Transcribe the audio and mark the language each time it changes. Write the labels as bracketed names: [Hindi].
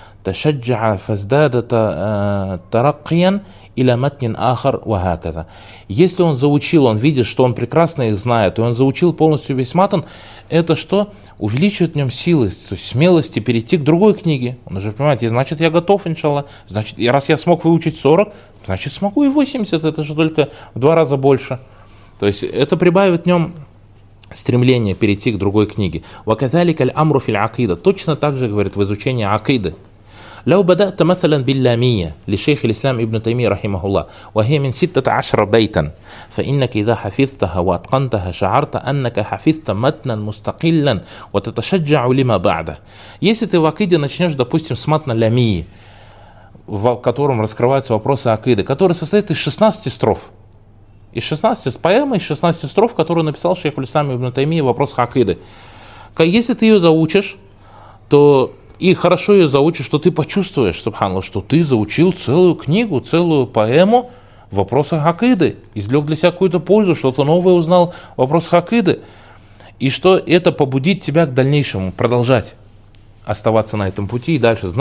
[Arabic] تشجع فازداد ترقيا إلى متن آخر وهكذا. [Russian] Если он заучил, он видит, что он прекрасно их знает, и он заучил полностью весь матан, это что? Увеличивает в нем силы, то есть смелости перейти к другой книге. Он уже понимает, и значит, я готов, иншалла. Значит, и раз я смог выучить 40, значит, смогу и 80, это же только в два раза больше. То есть это прибавит в нем стремление перейти к другой книге. [Arabic] وَكَذَلِكَ الْأَمْرُ فِي الْعَقِيدَةِ. [Russian] Точно так же, говорит, в изучении акиды. [Arabic] لو بدأت مثلا باللامية لشيخ الإسلام ابن تيمية رحمه الله وهي من 16 بيتا فإنك إذا حفظتها وأتقنتها شعرت أنك حفظت متنا مستقلا وتتشجع لما بعده. [Russian] Если ты в акиде начнешь, допустим, с матна ламии, в котором раскрываются вопросы акиды, который состоит из 16 строф, из 16 поэмы, из 16 строф, которые написал шейх Ислам ибн Таймия в вопросах акиды. Если ты ее заучишь, то и хорошо ее заучишь, то ты почувствуешь, субханалла, что ты заучил целую книгу, целую поэму в вопросах акиды, извлек для себя какую-то пользу, что-то новое узнал в вопросах акиды, и что это побудит тебя к дальнейшему продолжать оставаться на этом пути и дальше.